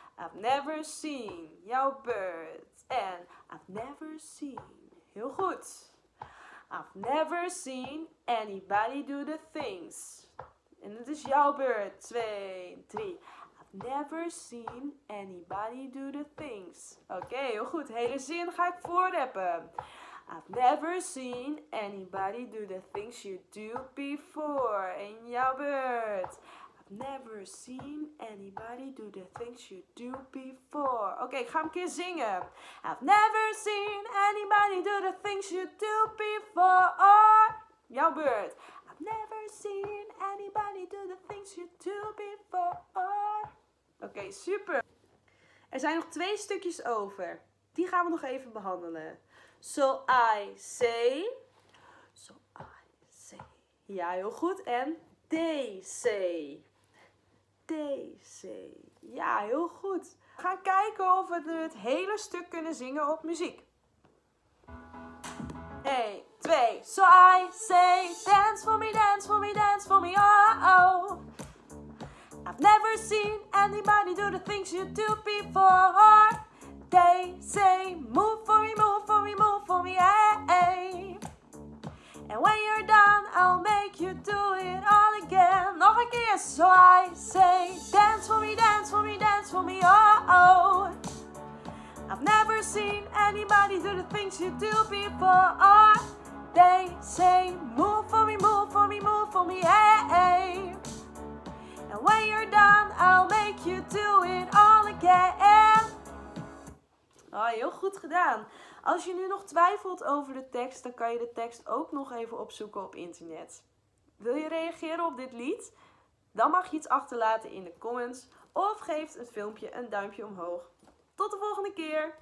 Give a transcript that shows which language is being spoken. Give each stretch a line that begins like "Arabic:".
English: I've never seen
Dutch: jouw beurt. En
English: I've never seen.
Dutch: Heel goed.
English: I've never seen anybody do the things.
Dutch: En het is jouw beurt. 2, 3.
English: I've never seen anybody do the things.
Dutch: Oké, heel goed. Hele zin ga ik voorrappen.
English: I've never seen anybody do the things you do before.
Dutch: En jouw beurt.
English: Never seen anybody do the things you do before.
Dutch: Oké, ik ga hem een keer zingen.
English: I've never seen anybody do the things you do before.
Dutch: Jouw beurt.
English: I've never seen anybody do the things you do before.
Dutch: Oké, super. Er zijn nog twee stukjes over. Die gaan we nog even behandelen.
English: So I say. So I say.
Dutch: Ja, heel goed. En
English: they say. DC.
Dutch: Ja, heel goed. Ga kijken of we het hele stuk kunnen zingen op muziek. 1, 2.
English: So I say, dance for me, dance for me, dance for me, oh oh. I've never seen anybody do the things you do before. they say, move for me, move for me, move for me, hey. And when you're done, I'll make you do it all again.
Dutch: Nog een keer,
English: so I say, dance for me, dance for me, dance for me, oh, oh. I've never seen anybody do the things you do before, oh. They say, move for me, move for me, move for me, hey, hey. And when you're done, I'll make you do it all again.
Dutch: Oh, heel goed gedaan. Als je nu nog twijfelt over de tekst, dan kan je de tekst ook nog even opzoeken op internet. Wil je reageren op dit lied? Dan mag je iets achterlaten in de comments of geef het filmpje een duimpje omhoog. Tot de volgende keer!